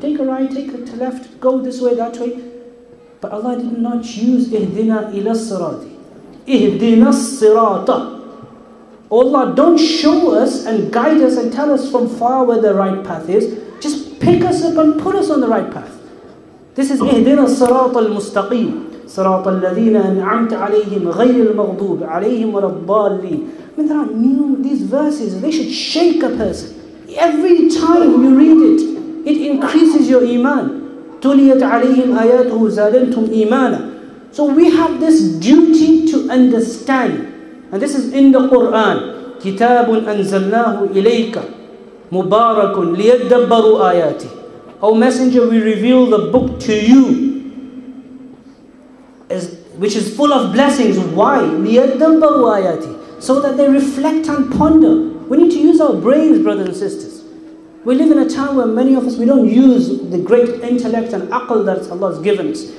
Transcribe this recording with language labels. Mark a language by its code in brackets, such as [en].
[en] Take a right, take a left, go this way, that way. But Allah did not use ihdina ila sirati. Ihdina sirata. Allah, don't show us and guide us and tell us from far where the right path is. Just pick us up and put us on the right path. This is ihdina sirata al-mustaqim. [ar] صراط الذين أنعمت عليهم غير المغضوب عليهم ولا الضالين. [en] These verses, they should shake a person. Every time you read it, it increases your iman. [ar] تليت عليهم آياته زادنتم إيمانا. [en] So we have this duty to understand, and this is in the Quran. [ar] كتاب أنزلناه إليك مبارك ليدبروا آياته. [en] O Messenger, we reveal the book to you, which is full of blessings. Why? [ar] لِيَدَّبَّرُوا آيَاتِ. [en] So that they reflect and ponder. We need to use our brains, brothers and sisters. We live in a time where many of us, we don't use the great intellect and aql that Allah has given us.